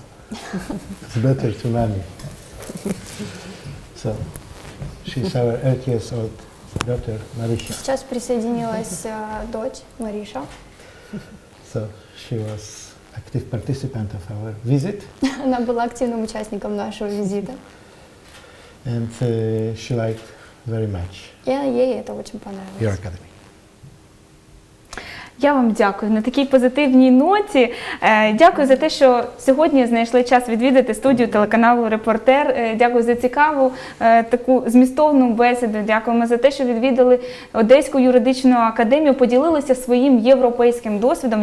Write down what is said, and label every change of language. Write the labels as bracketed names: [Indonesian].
[English] It's better to mommy. So, she's our 8-year-old daughter, Marisha. [Russian] Сейчас присоединилась дочь, Мариша. [English] So she was active participant of our visit. [Russian] Она была активным участником нашего визита. [English] And she liked very much. [Russian] Ей это очень понравилось. [English] Your academy. [Ukrainian] Я вам дякую на такій позитивній ноті. Дякую за те, що сьогодні знайшли час відвідати студію телеканалу «Репортер». Дякую за цікаву, таку змістовну бесіду. Дякуємо за те, що відвідали Одеську юридичну академію, поділилися своїм європейським досвідом.